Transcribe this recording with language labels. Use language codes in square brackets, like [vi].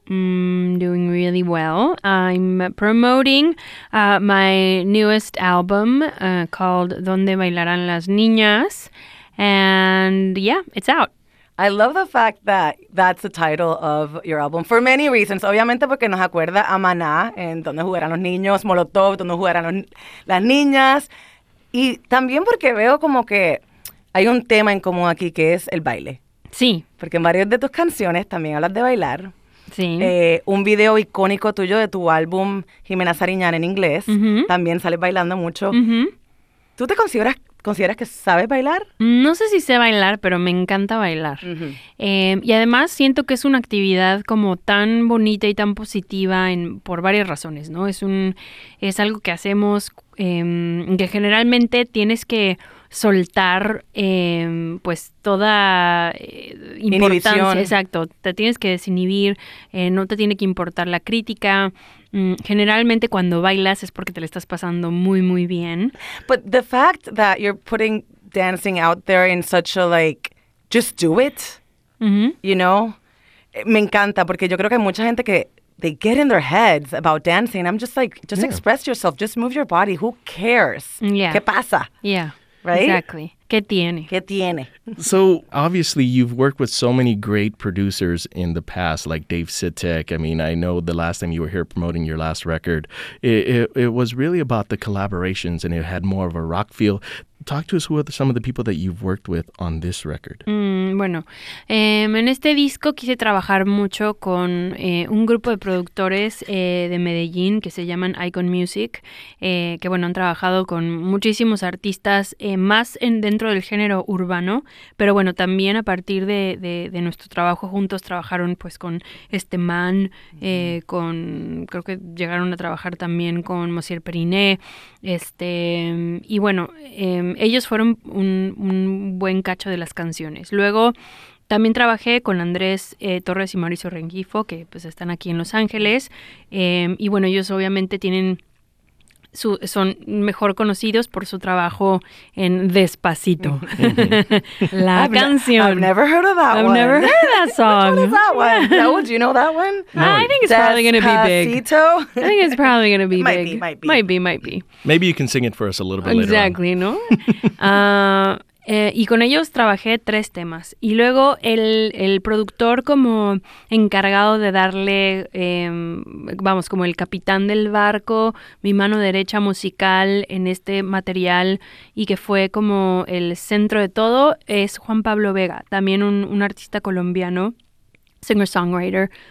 [en] Doing really well. I'm promoting my newest album called Donde Bailarán Las Niñas. And yeah, it's out. I love the fact that that's the title of your album for many reasons. [es] Obviamente porque nos acuerda a Maná en Donde Jugarán Los Niños, Molotov, Donde Jugarán Las Niñas. Y también porque veo como que hay un tema en común aquí que es el baile. Sí. Porque en varias de tus canciones también hablas de bailar. Sí. Un video icónico tuyo de tu álbum Jimena Sariñana en inglés. Uh-huh. También sales bailando mucho. Uh-huh. ¿Tú te consideras que sabes bailar? No sé si sé bailar, pero me encanta bailar. Uh-huh. Y además siento que es una actividad como tan bonita y tan positiva por varias razones, ¿no? Es algo que hacemos que generalmente tienes que soltar pues toda importancia. Inhibición. Exacto. Te tienes que desinhibir, no te tiene que importar la crítica. Generalmente cuando bailas es porque te la estás pasando muy, muy bien. [en] But the fact that you're putting dancing out there in such a, like, just do it, mm-hmm. you know, [es] me encanta porque yo creo que hay mucha gente que [en] they get in their heads about dancing. I'm just like, just express yourself. Just move your body. Who cares? Yeah. [es] ¿Qué pasa? [en] Yeah. Right? Exactly. [es] ¿Qué tiene? ¿Qué tiene? [en] So, obviously, you've worked with so many great producers in the past, like Dave Sitek. I mean, I know the last time you were here promoting your last record, it was really about the collaborations, and it had more of a rock feel. Talk to us, who are some of the people that you've worked with on this record? [es] Bueno, en este disco quise trabajar mucho con un grupo de productores de Medellín que se llaman Icon Music, que bueno, han trabajado con muchísimos artistas, más dentro del género urbano, pero bueno, también a partir de nuestro trabajo juntos trabajaron pues con Este Man, con, creo que llegaron a trabajar también con Monsieur Periné, y bueno, ellos fueron un buen cacho de las canciones. Luego también trabajé con Andrés Torres y Mauricio Rengifo, que pues están aquí en Los Ángeles, y bueno, ellos obviamente son mejor conocidos por su trabajo en Despacito. Mm-hmm. La canción. [en] I've never heard of that I've one. I've never heard of that song. What is that one? Raúl, do you know that one? No. I think it's probably going to be big. Despacito? I think it's probably going to be might big. Might be. Maybe you can sing it for us a little bit exactly, later on. Exactly, [es] ¿no? y con ellos trabajé tres temas. Y luego el productor como encargado de darle, vamos, como el capitán del barco, mi mano derecha musical en este material y que fue como el centro de todo, es Juan Pablo Vega, también un artista colombiano, singer-songwriter,